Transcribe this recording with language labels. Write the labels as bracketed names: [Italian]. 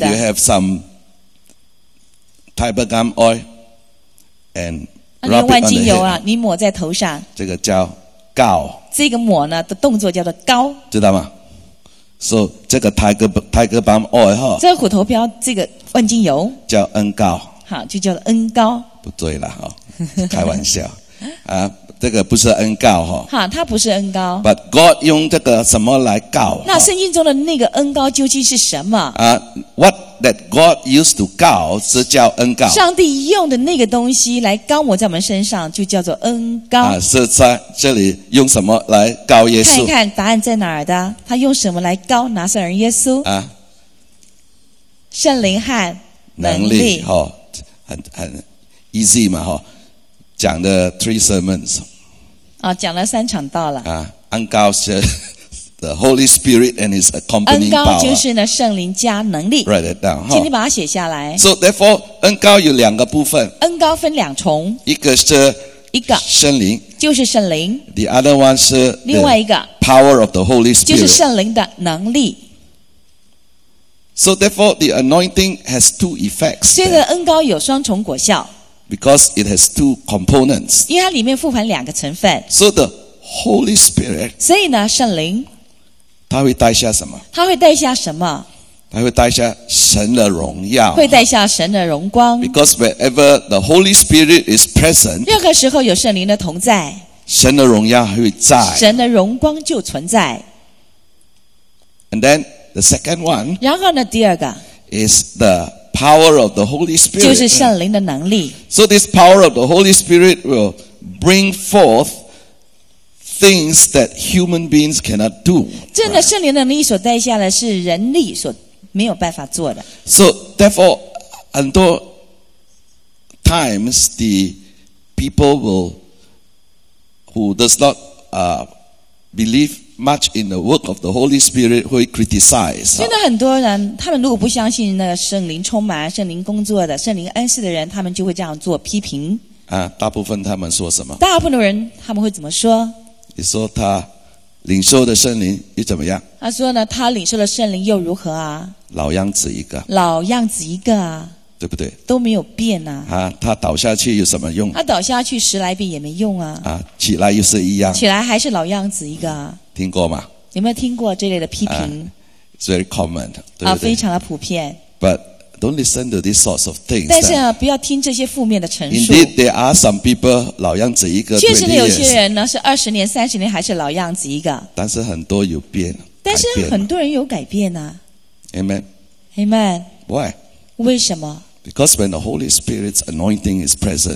[English] So if you have some Tiger Balm Oil and rub it on the head， [Chinese] 你抹在头上，这个叫膏，这个抹呢的动作叫做膏，知道吗？So 这个 Tiger Balm Oil 这个虎头标，这个万金油叫恩膏，好，就叫做恩膏，不对了，开玩笑这个不是恩膏，它不是恩膏。 But God 用这个什么来膏，那圣经中的那个恩膏究竟是什么 [English] What that God used to [Chinese] 膏是叫恩膏，上帝用的那个东西来膏抹在我们身上就叫做恩膏是在这里用什么来膏耶稣，看一看答案在哪儿的，他用什么来膏拿撒勒人耶稣圣灵和能力、很 easy 嘛讲的 [English] three sermons [Chinese] 讲了三场道了恩膏是 [English] the Holy Spirit and his accompanying power， [Chinese] 恩膏就是呢圣灵加能力。 [English] Write it down， [Chinese] 请你把它写下来。 [English] So therefore [Chinese] 恩膏有两个部分，恩膏分两重，一个是圣灵，就是圣灵， [English] the other one 是 [Chinese] 另外一个 [English] power of the Holy Spirit， [Chinese] 就是圣灵的能力。 [English] So therefore the anointing has two effects， [Chinese] 所以恩膏有双重果效。 [English] Because it has two components， [Chinese] 因为它里面复含两个成分。 [English] So the Holy Spirit， [Chinese] 所以呢，圣灵，他会带下什么？他会带下什么？他会带下神的荣耀。会带下神的荣光。 [English] Because wherever the Holy Spirit is present， [Chinese] 任何时候有圣灵的同在，神的荣耀会在，神的荣光就存在。 [English] And then the second one， [Chinese] 然后呢，第二个 [English] is the。 Power of the Holy Spirit， [Chinese] 就是圣灵的能力。 [English] So this power of the Holy Spirit will bring forth things that human beings cannot do。 [Chinese] 真的，圣灵的能力所带下来是人力所没有办法做的。 [English] So therefore， [Chinese] 很多 [English] times the people will who does not believe much in the work of the Holy Spirit [Chinese] 会 [English] criticize。 [Chinese] 现在很多人他们如果不相信那圣灵充满圣灵工作的圣灵恩赐的人，他们就会这样做批评大部分他们说什么，大部分的人他们会怎么说，你说他领受的圣灵又怎么样，他说呢他领受的圣灵又如何老样子一个，老样子一个对不对，都没有变他倒下去有什么用，他倒下去十来遍也没用起来又是一样，起来还是老样子一个听过吗？有没有听过这类的批评 [English] ？It's very common， [Chinese] 对不对？非常的普遍。 [English] But don't listen to these sorts of things。 [Chinese] 但是不要听这些负面的陈述。 [English] Indeed, there are some people [Chinese] 老样子一个。确实有些人呢是二十年、三十年还是老样子一个。但是很多有变。但是很多人有改变 [English] Amen。 Amen。 Why？ [Chinese] 为什么 [English] ？Because when the Holy Spirit's anointing is present，